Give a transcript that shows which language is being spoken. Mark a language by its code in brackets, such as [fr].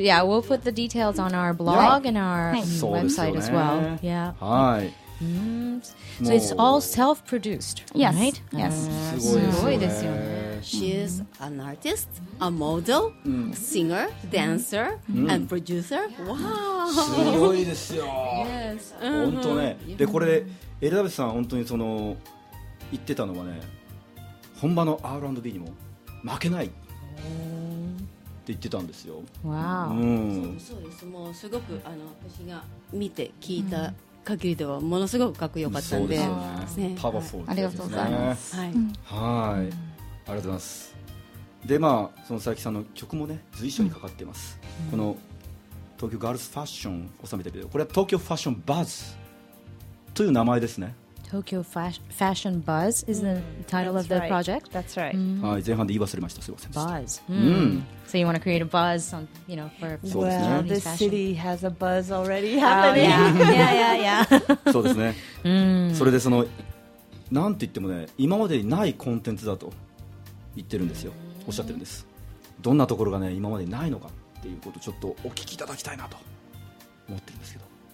[en] Yeah, we'll put the details on our blog and our website as well. Yeah. [ja] はい。 [en] So it's all self-produced, right? Yes. [ja] すごいですよね。 [en] She's an artist, a model, singer, dancer, and producer. Wow. [ja] すごいですよ。 [en] Yes. [ja] 本当ね。で、これエリザベスさん本当にその言ってたのはね、本場の R&B にも負けないって言ってたんですよ。わあ、うん、そうです。もうすごく私が見て聞いた限りではものすごくかっこよかったんで、そうですね、パワフルですね。ありがとうございます。はい、はい、ありがとうございます。で、まあその佐伯さんの曲もね随所にかかっています。この東京ガールズファッションを収めたビデオ、これは東京ファッションバズという名前ですね。 [en] Tokyo Fashion Buzz is the title of the project. That's right. [ja] はい、前半で言い忘れました。すいません。 [en] Buzz. So you want to create a buzz, on, you know, for Japanese fashion? Well, this city has a buzz already happening. Yeah. [ja] そうですね。それでその、なんて言ってもね、今までにないコンテンツだと言ってるんですよ。おっしゃってるんです。どんなところがね、今までにないのかっていうことをちょっとお聞きいただきたいなと思ってるんですけど。